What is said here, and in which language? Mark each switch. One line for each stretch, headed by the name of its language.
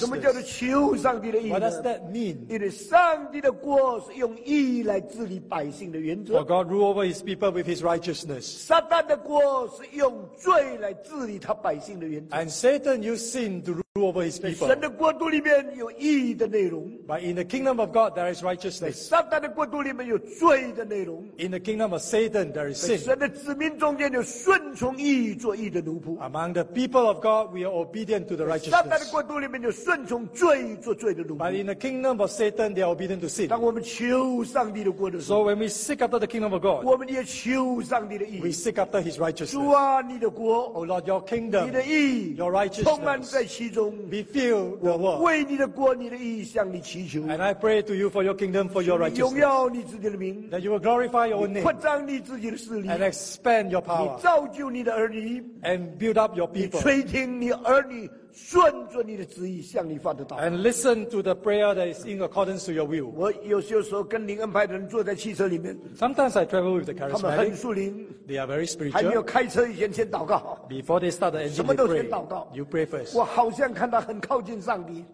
Chinese: 什么叫做求上帝的义呢
English: ？What does that mean?
Chinese: 因为上帝的国是用义来治理。百姓的原则。
English: For God rule over His people with His righteousness.
Chinese: 撒旦的国是用罪来治理他百姓的原则。
English: And Satan used sin to rule over His people.
Chinese: 神的国度里面有义的内容。
English: But in the kingdom of God there is righteousness.
Chinese: 撒旦的国度里面有罪的内容。
English: In the kingdom of Satan there is sin.
Chinese: 神的子民中间有顺从义做义的奴仆。
English: Among the people of God we are obedient to the righteousness.
Chinese: 撒旦的国度里面有顺从罪做罪的奴仆。
English: But in the kingdom of Satan they are obedient to sin.
Chinese: 当我们求上帝的国的时候。
English: So when we seek after the kingdom of God,
Chinese: 我们也求上帝的义。
English: We seek after His righteousness.
Chinese: 主啊，你的国
English: ，Oh Lord, Your kingdom,
Chinese: 你的义
English: ，Your righteousness,
Chinese: 充满在其中。
English: Be filled the world.
Chinese: 我为你的国，你的义向你祈求。
English: And I pray to you for Your kingdom, for Your righteousness.
Chinese: 你荣耀你自己的名。
English: That you will glorify Your own name.
Chinese: 扩张你自己的势力。
English: And expand Your power.
Chinese: 你造就你的儿女。
English: And build up Your people.
Chinese: 你垂听你儿女。顺着你的旨意向你发的祷告。
English: And listen to the prayer that is in accordance to your will.
Chinese: 我有些时候跟灵恩派的人坐在汽车里面。
English: Sometimes I travel with the charismatic.
Chinese: 他们很属灵。
English: They are very spiritual.
Chinese: 还没有开车以前先祷告。
English: Before they start the engine, they pray.
Chinese: 什么都先祷告。
English: You pray first.
Chinese: 我好像看到很靠近上帝。